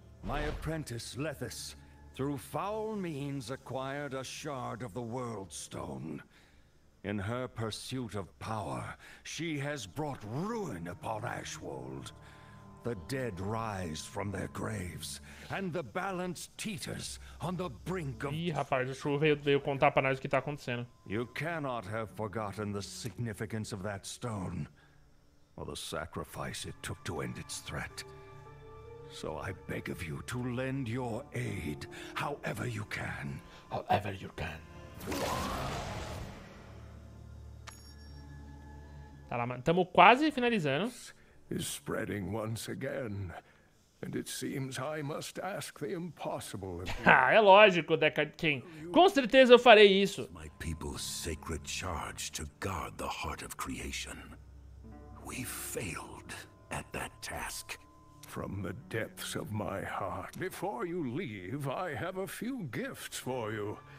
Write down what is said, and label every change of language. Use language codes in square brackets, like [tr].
[en] My apprentice, Lethys, through foul means acquired a shard of the world stone. In her pursuit of power, she has brought ruin upon Ashwold. The dead rise from their graves, and the balance teeters on the brink of... [pt] Ih, rapaz, o Shul veio contar pra nós o que tá acontecendo. [en] You cannot have forgotten the significance of that stone, or the sacrifice it took to end its threat. So I beg of you to lend your aid, however you can. However you can. [pt] Tá lá, mano. Tamo quase finalizando. [en] Is spreading once again, and it seems I must ask the impossible. [pt] Ah, é lógico, Deckard Cain. Com certeza eu farei isso. [en] My people's sacred charge to guard the heart of creation. We failed at that task. From the depths of my heart. Before you leave, I have a few gifts for you.